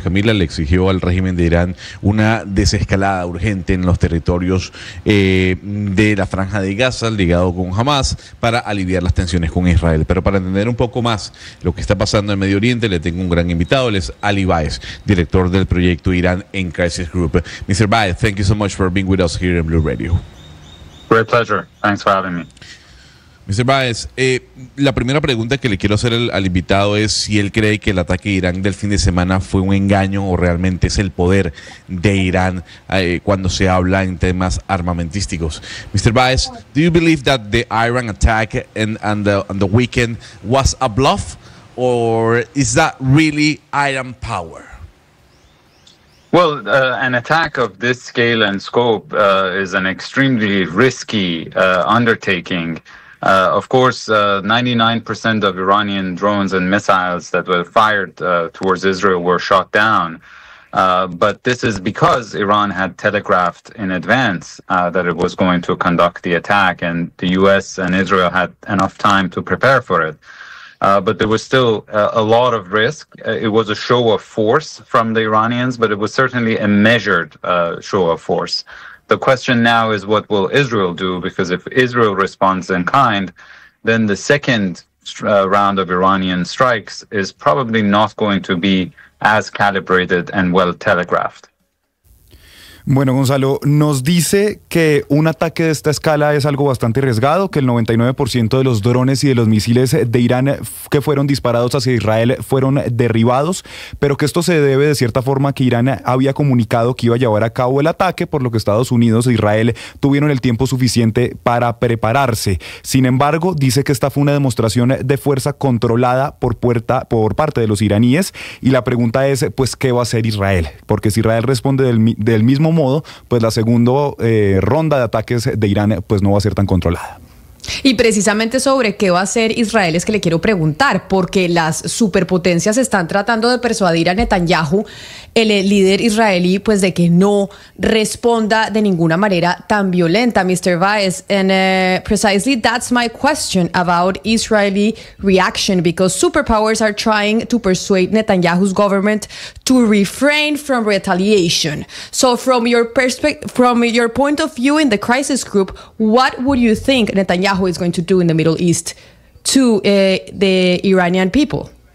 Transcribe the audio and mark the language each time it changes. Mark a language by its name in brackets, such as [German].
[Spanish] Camila, le exigió al régimen de Irán una desescalada urgente en los territorios de la franja de Gaza, ligado con Hamas, para aliviar las tensiones con Israel. Pero para entender un poco más lo que está pasando en Medio Oriente, le tengo un gran invitado, él es Ali Baez, director del proyecto Irán en Crisis Group. [English] Mr. Baez, thank you so much for being with us here in Blue Radio. Great pleasure. Thanks for having me. Mr. [Spanish] Baez, la primera pregunta que le quiero hacer al invitado es si él cree que el ataque de Irán del fin de semana fue un engaño o realmente es el poder de Irán cuando se habla en temas armamentísticos. [English] Mr. Baez, do you believe that the Iran attack and the weekend was a bluff, or is that really Iran power? Well, an attack of this scale and scope is an extremely risky undertaking. Of course, 99% of Iranian drones and missiles that were fired towards Israel were shot down. But this is because Iran had telegraphed in advance that it was going to conduct the attack, and the U.S. and Israel had enough time to prepare for it. But there was still a lot of risk. It was a show of force from the Iranians, but it was certainly a measured show of force. The question now is, what will Israel do? Because if Israel responds in kind, then the second round of Iranian strikes is probably not going to be as calibrated and well telegraphed. [Spanish] Bueno, Gonzalo, nos dice que un ataque de esta escala es algo bastante arriesgado, que el 99% de los drones y de los misiles de Irán que fueron disparados hacia Israel fueron derribados, pero que esto se debe de cierta forma a que Irán había comunicado que iba a llevar a cabo el ataque, por lo que Estados Unidos e Israel tuvieron el tiempo suficiente para prepararse. Sin embargo, dice que esta fue una demostración de fuerza controlada por parte de los iraníes, y la pregunta es, pues, ¿qué va a hacer Israel? Porque si Israel responde del mismo modo, pues la segunda ronda de ataques de Irán pues no va a ser tan controlada. Y precisamente sobre qué va a hacer Israel es que le quiero preguntar, porque las superpotencias están tratando de persuadir a Netanyahu, el líder israelí, pues de que no responda de ninguna manera tan violenta, Mr. Baez. [English] And precisely that's my question about Israeli reaction, because superpowers are trying to persuade Netanyahu's government to refrain from retaliation. So from your point of view in the crisis group, what would you think Netanyahu is going to do in the Middle East to the Iranian people?